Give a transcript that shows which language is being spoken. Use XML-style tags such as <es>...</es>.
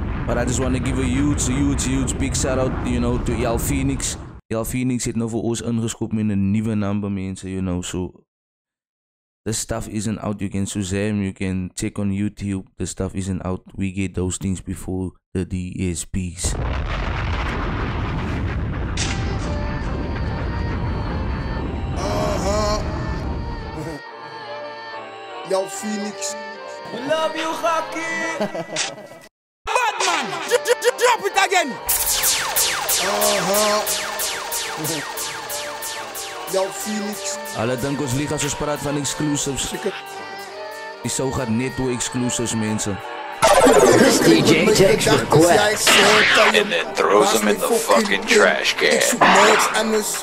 <en>But I just want to give a huge, huge, huge big shout out, you know, to Yael Phoenix.</en> <nl>Yael Phoenix heeft nu voor ons ingeschopt met een nieuwe number, mensen,</nl> <en>you know. So, the stuff isn't out. You can Shazam, you can check on YouTube. The stuff isn't out. We get those things before the DSPs. Yael Phoenix. We love you, Haki. Bad man, drop it again. Yael Phoenix.</en> <af>Hulle dink ons lieg as ons praat van exclusives. Die show gaat net door exclusives, mensen.</af> <en>DJ takes request. And then throws them in the fucking trash can.</en>